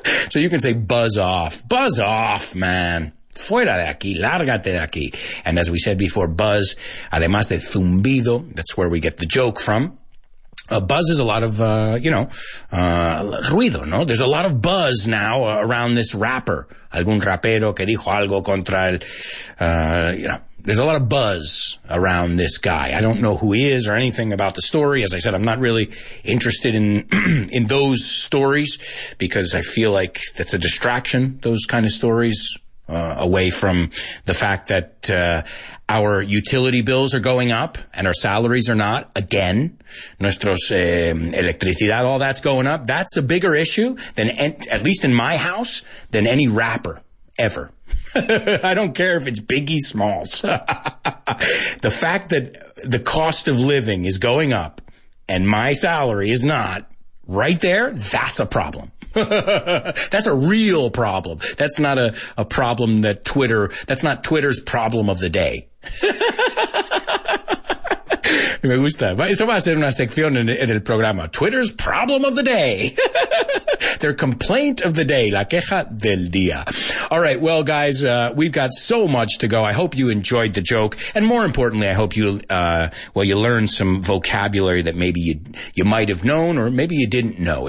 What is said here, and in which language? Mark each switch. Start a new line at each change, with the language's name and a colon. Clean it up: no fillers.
English: So you can say buzz off. Buzz off, man.
Spanish: Fuera de aquí. Lárgate de aquí.
English: And as we said before, buzz,
Spanish: además de zumbido,
English: that's where we get the joke from. A buzz is a lot of, you know, ruido, no? There's a lot of buzz now around this rapper.
Spanish: Algún rapero que dijo algo contra el,
English: you know. There's a lot of buzz around this guy. I don't know who he is or anything about the story. As I said, I'm not really interested in in those stories because I feel like that's a distraction, those kind of stories, away from the fact that our utility bills are going up and our salaries are not, again.
Spanish: Nuestros electricidad,
English: all that's going up. That's a bigger issue than, at least in my house, than any rapper ever. I don't care if it's Biggie Smalls. The fact that the cost of living is going up and my salary is not, right there, that's a problem. That's a real problem. That's not a problem that Twitter, that's not Twitter's problem of the day.
Spanish: Me gusta. Eso va a ser una sección en el programa.
English: Twitter's problem of the day. Their complaint of the day.
Spanish: La queja del día.
English: All right. Well, guys, we've got so much to go. I hope you enjoyed the joke. And more importantly, I hope you, well, you learned some vocabulary that maybe you might have known or maybe you didn't know.